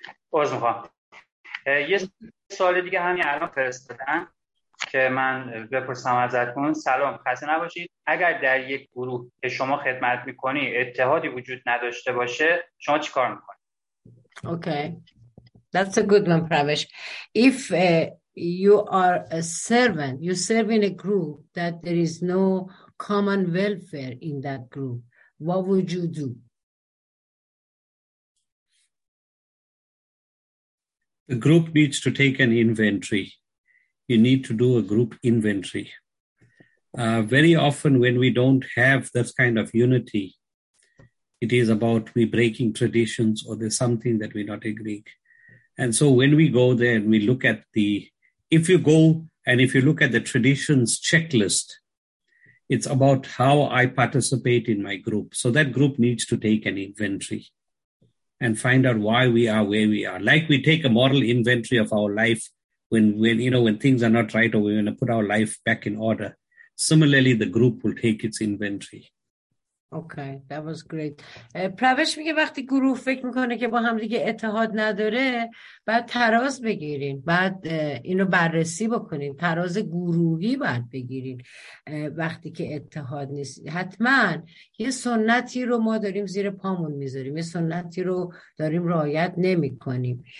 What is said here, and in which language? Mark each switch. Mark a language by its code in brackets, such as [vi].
[fa] باز میخوام. یه سوال دیگه همین الان فرستادن که من بپرسم ازتون. سلام، خسته نباشید. اگر در یک گروه که شما خدمت میکنی اتحادی وجود نداشته باشه، شما چی کار میکنی؟ [en] Okay. That's a good one, Pravesh. If you are a servant, you serve in a group that there is no common welfare in that group, what would you do? The group needs to take an inventory. You need to do a group inventory. Very often when we don't have this kind of unity, it is about we breaking traditions or there's something that we're not agreeing. And so when we go there and we look at the, if you go and if you look at the traditions checklist, it's about how I participate in my group. So that group needs to take an inventory and find out why we are where we are. Like we take a moral inventory of our life when you know, when things are not right or we want to put our life back in order. Similarly, the group will take its inventory. Okay, that was great. [fa] Pravesh میگه وقتی گروه فکر میکنه که با هم دیگه اتحاد نداره، بعد تراز بگیرین، بعد اینو بررسی بکنین، تراز گروهی بعد بگیرین. وقتی که اتحاد نیست، حتما یه سنتی رو ما داریم زیر پامون میذاریم، یه سنتی رو داریم رعایت نمی کنیم.